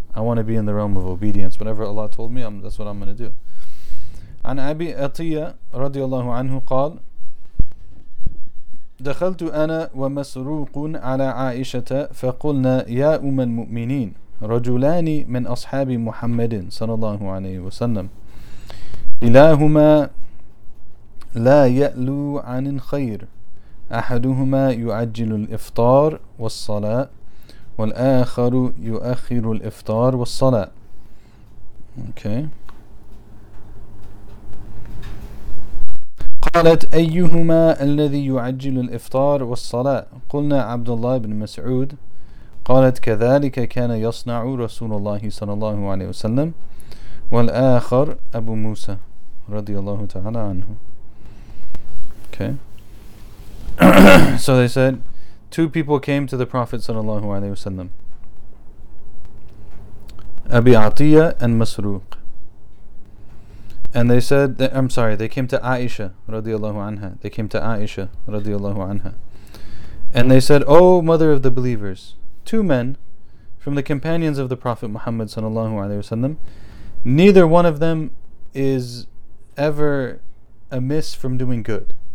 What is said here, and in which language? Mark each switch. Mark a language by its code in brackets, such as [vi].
[en] I want to be in the realm of obedience. Whatever Allah told me, that's what I'm gonna do. [ar] عن أبي أطية رضي الله عنه قال دخلت أنا ومسروق على عائشة فقلنا يا أم المؤمنين رجلان من أصحاب محمد صلى الله عليه وسلم إلهما لا يألو عن الخير أحدهما يعجل الإفطار والصلاة والآخر يؤخر الإفطار والصلاة. [en] Okay. [ar] قالت أيهما الذي يعجل الإفطار والصلاة قلنا عبد الله بن مسعود قالت كذلك كان يصنع رسول الله صلى الله عليه وسلم والآخر أبو موسى رضي الله تعالى عنه. [en] Okay. So they said, two people came to the Prophet sallallahu alaihi wasallam, Abi Atiyah and Masruq. And they said, they came to Aisha radiallahu anha. They came to Aisha radiallahu anha. And they said, O mother of the believers, two men from the companions of the Prophet Muhammad sallallahu alaihi wasallam, neither one of them is ever amiss from doing good.